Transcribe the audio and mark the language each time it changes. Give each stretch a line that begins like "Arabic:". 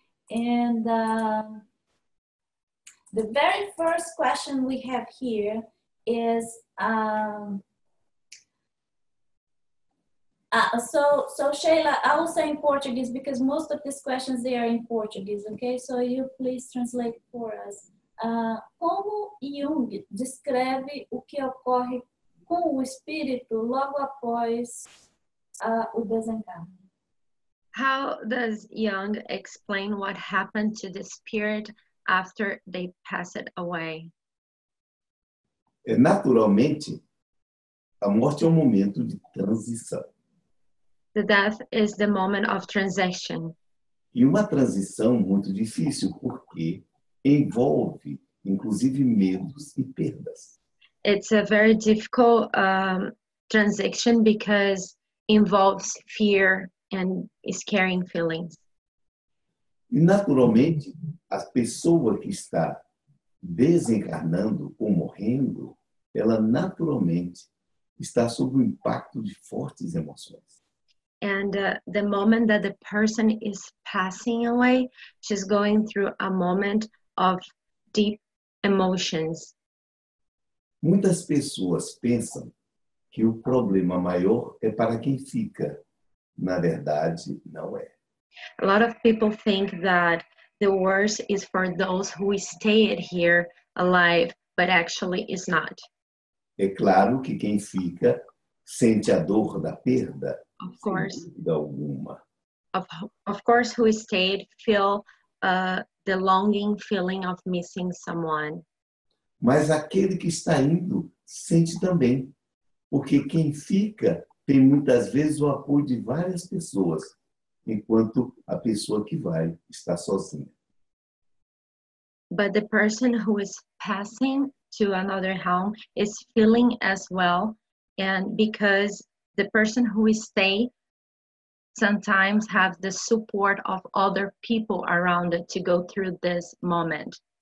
English: And the very first question we have here is, so Sheila, I will say in Portuguese because most of these questions, they are in Portuguese, okay? So you please translate for us.
Portuguese: Como Jung descreve o que ocorre com o espírito logo após o desencarno?
English: How does Jung explain what happened to the spirit after they pass it away?
Portuguese: Naturalmente, a morte é um momento de transição.
English: The death is the moment of transition.
Portuguese: E uma transição muito difícil porque envolve, inclusive, medos e perdas.
English: It's a very difficult transition because involves fear and scaring feelings.
Portuguese: Naturalmente, a pessoa que está desencarnando ou morrendo, ela naturalmente está sob o impacto de fortes emoções.
English: And the moment that the person is passing away, she's going through a moment of deep emotions.
Portuguese: Muitas pessoas pensam que o problema maior é para quem fica. Na verdade, não é.
English: A lot of people think that the worst is for those who stayed here alive, but actually it's not.
Portuguese: É claro que quem fica sente a dor da perda.
English: Of course.
Portuguese: Sem dúvida alguma.
English: Of course, who stayed feel the longing feeling of missing someone.
Portuguese: Mas aquele que está indo sente também. Porque quem fica tem muitas vezes o apoio de várias pessoas, enquanto a pessoa que vai está sozinha.
English: But the person who is passing to another home is feeling as well, and because the person who is staying sometimes have the support of other people around it to go through this moment.